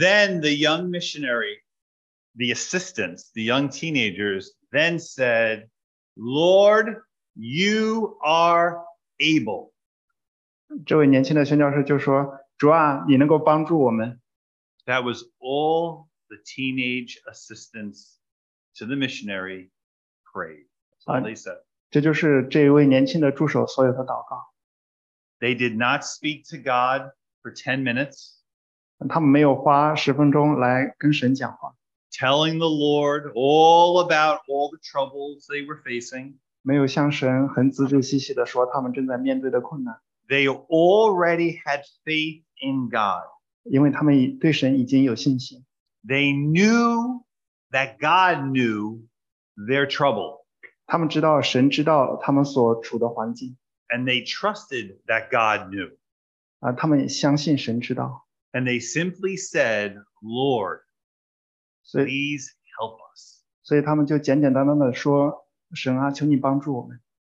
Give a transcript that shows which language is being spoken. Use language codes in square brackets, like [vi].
[en] then the young missionary, the assistants, the young teenagers, then said, Lord, you are able. [zh] 这位年轻的宣教士就说：“主啊，你能够帮助我们。” [en] That was all the teenage assistants to the missionary prayed. They said, [zh] 这就是这位年轻的助手所有的祷告。 [en] They did not speak to God for 10 minutes. [zh] 他们没有花10分钟来跟神讲话。 [en] Telling the Lord all about all the troubles they were facing. [zh] 没有向神很仔仔细细地说他们正在面对的困难。 [en] They already had faith in God. They knew that God knew their trouble. [zh] 他们知道神知道他们所处的环境, [en] and they trusted that God knew. [zh] 他们相信神知道, [en] and they simply said, Lord, please help us. [zh] 所以他们就简简单单地说, 神啊, 求你帮助我们。